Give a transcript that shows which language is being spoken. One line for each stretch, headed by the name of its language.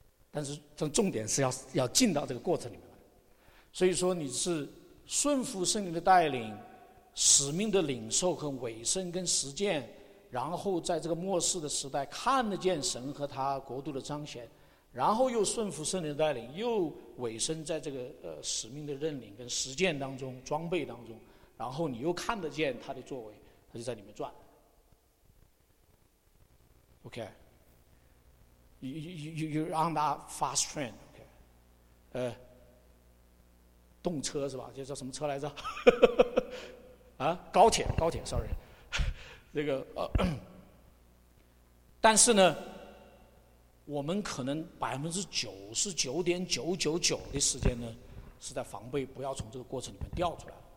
Chinese: 但重点是要进到这个过程里面来。所以说，你是顺服圣灵的带领、使命的领受和委身跟实践，然后在这个末世的时代看得见神和他国度的彰显，然后又顺服圣灵的带领，又委身在这个使命的认领跟实践当中、装备当中，然后你又看得见他的作为，他就在里面转。
English: OK， You're on that fast train。
Chinese: OK， 动车是吧，这叫什么车来着？啊，高铁 sorry。这个但是呢，我们可能99.999%的时间呢，是在防备不要从这个过程里面掉出来。